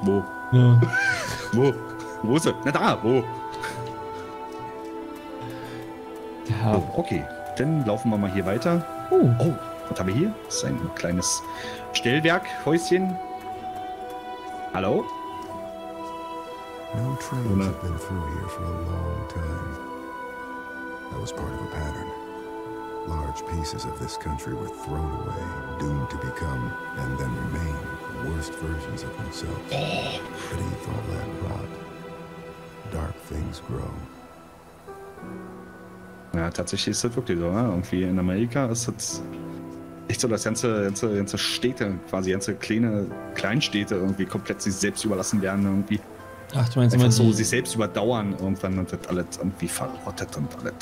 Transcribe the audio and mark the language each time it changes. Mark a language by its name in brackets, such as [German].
[German] Wo? Ja. Wo? Wo ist er? Na da, wo? Ja. Oh, okay, dann laufen wir mal hier weiter. Oh. Was haben wir hier? Das ist ein kleines Stellwerkhäuschen. Hallo? [English] No trains have been through here for a long time. That was part of a pattern. Large pieces of this country were thrown away, doomed to become and then remain worst versions of themselves. Beneath all that rot, dark things grow. [German] Ja, tatsächlich ist das wirklich so, ne? Irgendwie in Amerika ist das echt so, dass ganze Städte, quasi ganze Kleinstädte irgendwie komplett sich selbst überlassen werden irgendwie. Ach, du meinst, so sich selbst überdauern irgendwann und das alles irgendwie verrottet und alles.